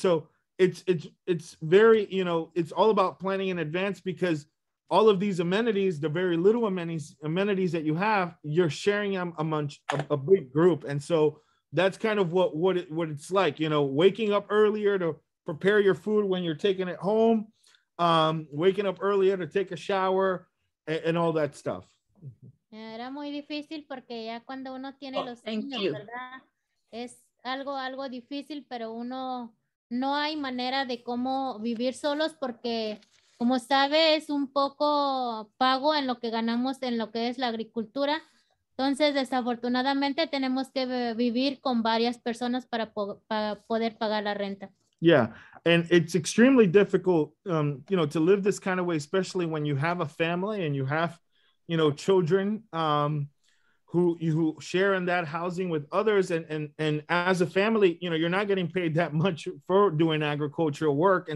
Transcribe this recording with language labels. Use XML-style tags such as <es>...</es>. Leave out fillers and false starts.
<en>So it's very, you know, it's all about planning in advance, because all of these amenities, the very little amenities that you have, you're sharing them amongst a big group. And so that's kind of what it's like, you know, waking up earlier to prepare your food when you're taking it home. Waking up earlier to take a shower and all that stuff.</en> <es>Era muy difícil porque ya cuando uno tiene los niños, ¿verdad? Es algo difícil, pero uno no hay manera de cómo vivir solos porque, como sabe, es un poco pago en lo que ganamos en lo que es la agricultura. Entonces, desafortunadamente, tenemos que vivir con varias personas para poder pagar la renta.</es> <en>Yeah, and it's extremely difficult, you know, to live this kind of way, especially when you have a family and you have, you know, children who share in that housing with others. And as a family, you know, you're not getting paid that much for doing agricultural work.</en>